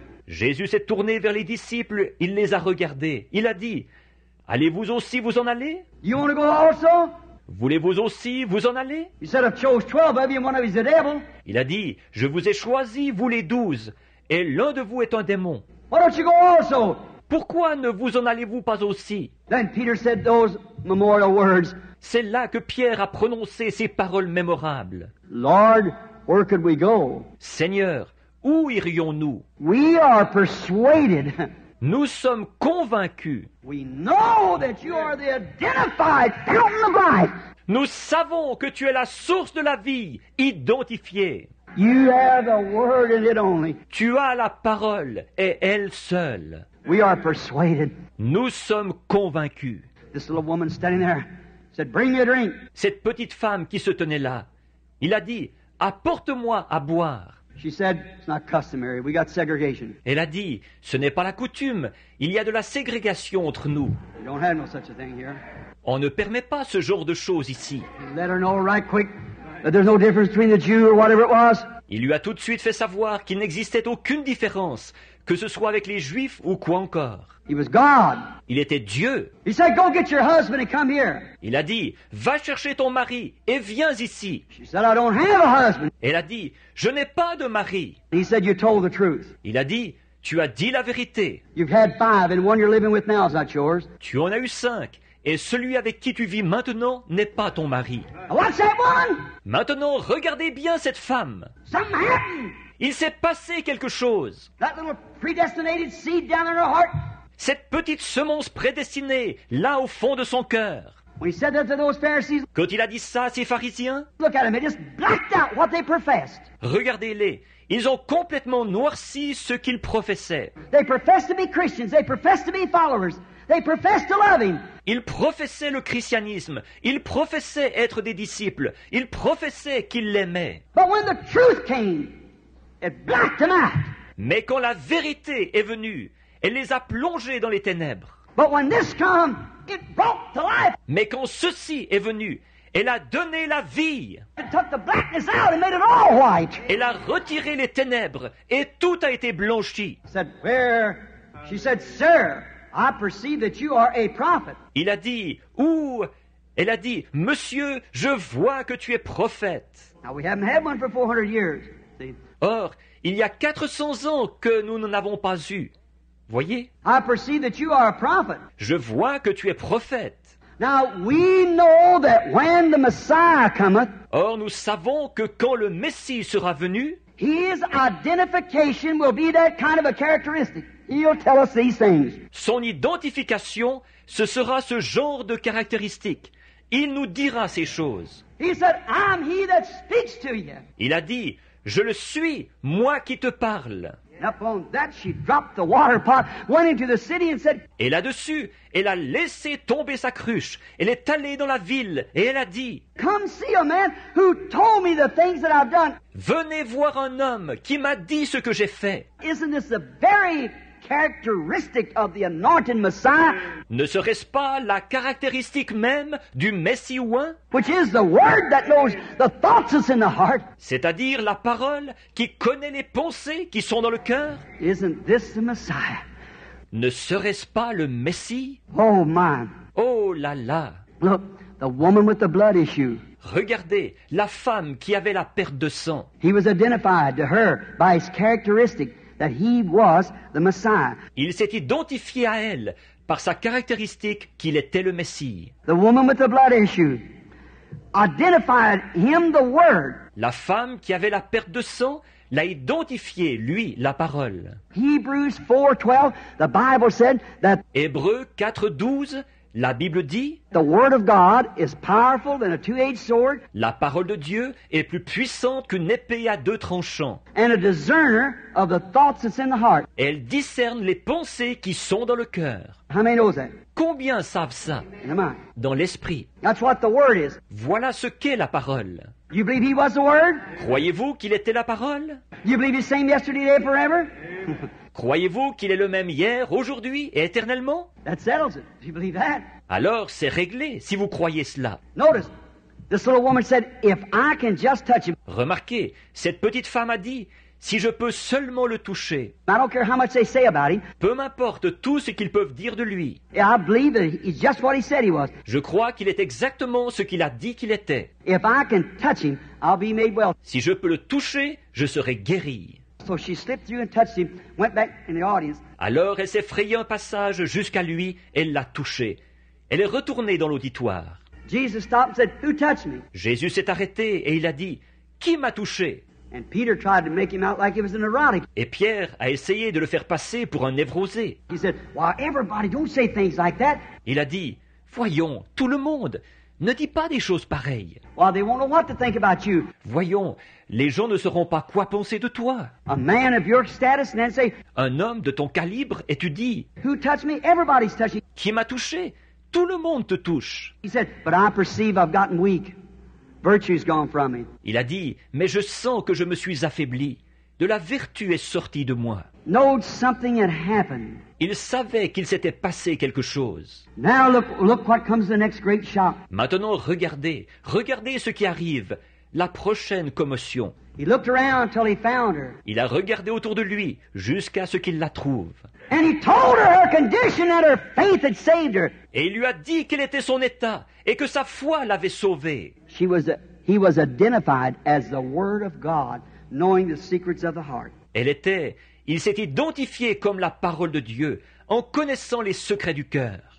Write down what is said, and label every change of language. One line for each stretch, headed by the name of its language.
French: Jésus s'est tourné vers les disciples, il les a regardés. Il a dit, « Allez-vous aussi vous en aller ?»«
English: You want to go also ?»
French: Voulez-vous aussi vous en aller ?»
English: He said, I've chose 12 of you, one of you is a devil.
French: Il a dit, « Je vous ai choisi, vous les 12, et l'un de vous est un démon. »
English: Why don't you go also?
French: Pourquoi ne vous en allez-vous pas aussi ?
English: Then Peter said those memorial words.
French: C'est là que Pierre a prononcé ces paroles mémorables.
English: Lord, where could we go?
French: Seigneur, où irions-nous ?
English: We are persuaded.
French: Nous sommes convaincus.
English: We know that you are the identified fountain of life.
French: Nous savons que tu es la source de la vie, identifiée.
English: You have the word and it only.
French: Tu as la parole et elle seule.
English: We are persuaded.
French: Nous sommes convaincus.
English: This little woman standing there said, "Bring me a drink."
French: Cette petite femme qui se tenait là, il a dit, "Apporte-moi à boire."
English: She said, "It's not customary. We got segregation."
French: Elle a dit, "Ce n'est pas la coutume. Il y a de la ségrégation entre nous."
English: We don't have no such a thing here.
French: On ne permet pas ce genre de choses ici.
English: Let her know right quick. That there's no difference between the Jew or whatever it was.
French: Il lui a tout de suite fait savoir qu'il n'existait aucune différence, que ce soit avec les Juifs ou quoi encore.
English: He was God.
French: Il était Dieu.
English: He said, "Go get your husband and come here."
French: Il a dit, "Va chercher ton mari et viens ici."
English: She said, "I don't have a husband."
French: Elle a dit, "Je n'ai pas de mari."
English: He said, "You told the truth."
French: Il a dit, "Tu as dit la vérité."
English: You've had five, and one you're living with now is not yours.
French: Tu en as eu cinq. Et celui avec qui tu vis maintenant n'est pas ton mari.
English: Watch that one.
French: Maintenant, regardez bien cette femme.
English: Something happened.
French: Il s'est passé quelque chose.
English: That little predestinated seed down in her heart.
French: Cette petite semence prédestinée, là au fond de son cœur.
English: When he said that to those Pharisees,
French: quand il a dit ça à ces pharisiens,
English: look at them, they just blacked out what they professed.
French: Regardez-les. Ils ont complètement noirci ce qu'ils professaient.
English: They professed to be Christians. They professed to be followers. They professed to love him.
French: Ils professaient le christianisme. Ils professaient être des disciples. Ils professaient qu'ils l'aimaient.
English: But when the truth came, it blacked them out.
French: Mais quand la vérité est venue, elle les a plongés dans les ténèbres.
English: But when this came, it broke the light.
French: Mais quand ceci est venu, elle a donné la vie.
English: It took the blackness out and made it all white.
French: Elle a retiré les ténèbres et tout a été blanchi.
English: Said, "Where?" She said, "Sir, I perceive that you are a prophet."
French: Il a dit, "Ouh." Elle a dit, "Monsieur, je vois que tu es prophète."
English: Now we haven't had one for 400 years. See?
French: Or, il y a 400 ans que nous n'en avons pas eu. Voyez?
English: I perceive that you are a prophet.
French: Je vois que tu es prophète.
English: Now we know that when the Messiah cometh.
French: Or, nous savons que quand le Messie sera venu,
English: his identification will be that kind of a characteristic. He'll tell us these things.
French: Son identification, ce sera ce genre de caractéristique. Il nous dira ces choses.
English: He said, "I'm he that speaks to you."
French: Il a dit, "Je le suis, moi qui te parle."
English: And upon that, she dropped the water pot, went into the city and said,
French: et là-dessus, elle a laissé tomber sa cruche. Elle est allée dans la ville et elle a dit,
English: "Come see a man who told me the things that I've done."
French: Venez voir un homme qui m'a dit ce que j'ai fait.
English: Isn't this a very characteristic of the anointed Messiah?
French: Ne serait-ce pas la caractéristique même du Messie ouin?
English: Which is the word that knows the thoughts that's in the heart.
French: C'est-à-dire la parole qui connaît les pensées qui sont dans le cœur.
English: Isn't this the Messiah?
French: Ne serait-ce pas le Messie?
English: Oh man.
French: Oh là là.
English: Look, the woman with the blood issue.
French: Regardez la femme qui avait la perte de sang.
English: He was identified to her by his characteristic. That he was the Messiah.
French: Il s'est identifié à elle par sa caractéristique qu'il était le Messie.
English: The woman with the blood issue identified him, the word.
French: La femme qui avait la perte de sang l'a identifié, lui, la parole.
English: Hebrews 4:12, the Bible said that.
French: Hébreux 4:12, la Bible dit.
English: The word of God is powerful than a two-edged sword.
French: La parole de Dieu est plus puissante qu'une épée à deux tranchants.
English: And a discerner of the thoughts that's in the heart.
French: Elle discerne les pensées qui sont dans le cœur.
English: How many knows that?
French: Combien savent ça?
English: In the mind.
French: Dans l'esprit.
English: That's what the word is.
French: Voilà ce qu'est la parole.
English: You believe he was the word?
French: Croyez-vous qu'il était la parole?
English: You believe he's same yesterday, today, forever?
French: Croyez-vous qu'il est le même hier, aujourd'hui et éternellement?
English: That settles it. Do you believe that?
French: Alors, c'est réglé si vous croyez cela.
English: Notice, this little woman said, "If I can just touch him."
French: Remarquez, cette petite femme a dit, si je peux seulement le toucher,
English: I don't care how much they say about him.
French: Peu m'importe tout ce qu'ils peuvent dire de lui.
English: Yeah, I believe that he's just what he said he was.
French: Je crois qu'il est exactement ce qu'il a dit qu'il était.
English: If I can touch him, I'll be made well.
French: Si je peux le toucher, je serai guéri.
English: So she slipped through and touched him, went back in the audience.
French: Alors elle s'est frayée un passage jusqu'à lui, elle l'a touché. Elle est retournée dans l'auditoire.
English: Jesus stopped and said, "Who touched me?"
French: Jésus s'est arrêté et il a dit, qui m'a touché?
English: And Peter tried to make him out like he was a neurotic.
French: Et Pierre a essayé de le faire passer pour un névrosé.
English: He said, "Why, everybody, don't say things like that."
French: Il a dit, voyons, tout le monde, ne dis pas des choses pareilles.
English: Well, they won't know what to think about you.
French: Voyons, les gens ne sauront pas quoi penser de toi.
English: A man of your status, and then say,
French: un homme de ton calibre, et tu dis,
English: who touched me? Everybody's touching.
French: Qui m'a touché? Tout le monde te touche.
English: He said, but I perceive I've gotten weak. Virtue's gone from me.
French: Il a dit, mais je sens que je me suis affaibli. De la vertu est sortie de moi.
English: Knowed something had happened.
French: Il savait qu'il s'était passé quelque chose.
English: Now look what comes the next great shock.
French: Maintenant, regardez ce qui arrive, la prochaine commotion.
English: He looked around until he found her.
French: Il a regardé autour de lui jusqu'à ce qu'il la trouve.
English: And he told her her condition and her faith had saved her.
French: Et il lui a dit quel était son état et que sa foi l'avait sauvée.
English: He was identified as the Word of God, knowing the secrets of the heart.
French: Il s'est identifié comme la parole de Dieu, en connaissant les secrets du cœur.